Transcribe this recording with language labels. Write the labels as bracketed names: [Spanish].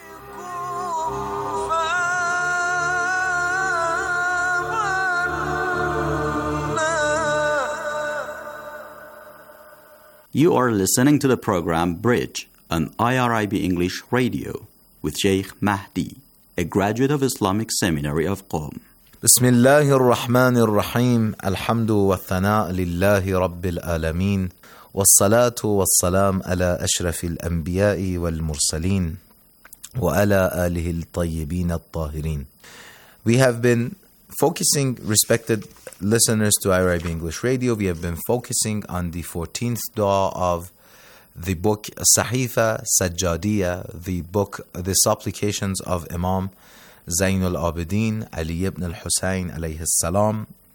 [English] You are listening to the program Bridge on IRIB English Radio with Sheikh Mahdi, a graduate of Islamic Seminary of Qom. [Arabic] بسم الله الرحمن الرحيم الحمد والثناء لله رب العالمين والصلاة والسلام على أشرف الأنبياء والمرسلين وعلى آله الطيبين الطاهرين. [English] We have been focusing, respected listeners to IRIB English Radio, we have been focusing on the 14th dua of the book Sahifa Sajjadiya, the book, the supplications of Imam Zainul Abidin Ali ibn al-Husayn alayhi salam.